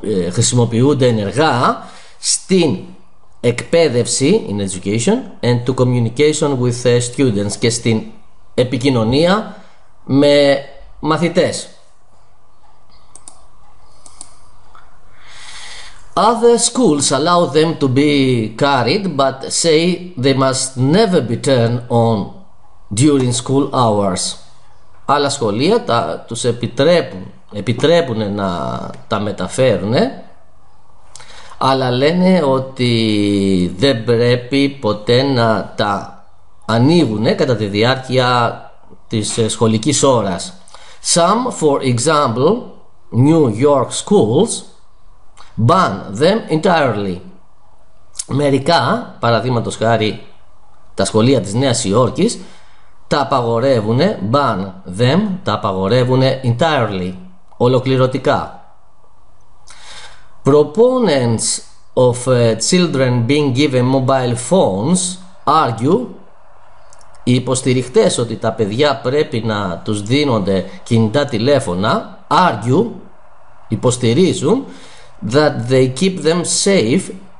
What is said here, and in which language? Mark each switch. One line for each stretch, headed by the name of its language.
Greek: χρησιμοποιούνται ενεργά στην εκπαίδευση,
English: in education, and to communication with students,
Greek: και στην επικοινωνία με μαθητές.
English: Other schools allow them to be carried, but say they must never be turned on during school hours.
Greek: Άλλα σχολεία τους επιτρέπουν να τα μεταφέρουν, αλλά λένε ότι δεν πρέπει ποτέ να τα ανοίγουν κατά τη διάρκεια της σχολικής ώρας.
English: Some, for example, New York schools ban them entirely.
Greek: Μερικά, παραδείγματος χάρη τα σχολεία της Νέας Υόρκης, τα απαγορεύουν,
English: ban them,
Greek: τα απαγορεύουν entirely, ολοκληρωτικά.
English: Proponents of children being given mobile phones argue,
Greek: οι υποστηριχτές ότι τα παιδιά πρέπει να τους δίνονται κινητά τηλέφωνα,
English: argue, υποστηρίζουν, that they keep them safe,